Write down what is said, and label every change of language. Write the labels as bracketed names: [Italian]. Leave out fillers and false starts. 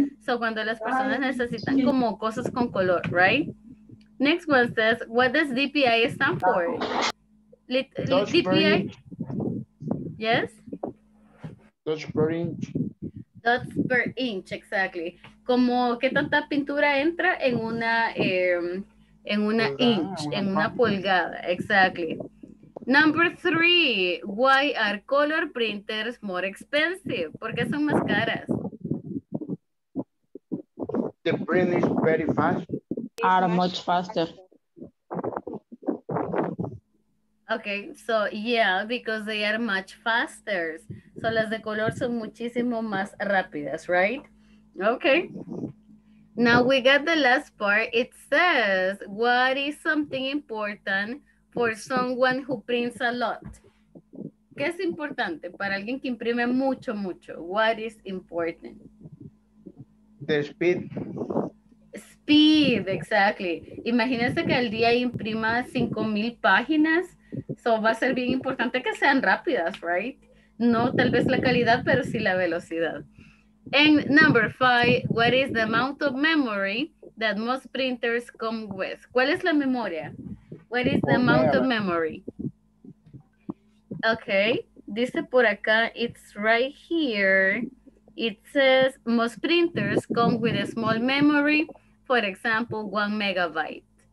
[Spanish] So cuando las personas necesitan como cosas con color, right? [English] Next one says, what does DPI stand for? DPI? Yes? Dots per inch. Dots per inch, exactly. [Spanish] Como qué tanta pintura entra en una, pulgada, exactly. [English] Number three, why are color printers more expensive? [Spanish] ¿Por qué son más caras? [English] The print is very fast. Are much faster. Okay, so yeah, because they are much faster. [Spanish] So las de color son muchísimo más rápidas, right? [English] Okay. Now we got the last part. It says, what is something important for someone who prints a lot? [Spanish] ¿Qué es importante para alguien que imprime mucho, mucho? [English] What is important? The speed. Speed, exactly. [Spanish] Imagínense que al día imprima 5,000 páginas. So va a ser bien importante que sean rápidas, right? No tal vez la calidad, pero sí la velocidad. [English] And number five, what is the amount of memory that most printers come with? [Spanish] ¿Cuál es la memoria? [English] What is the amount of memory? Okay, [Spanish] dice por acá, [English] it's right here. It says most printers come with a small memory, for example, 1 megabyte.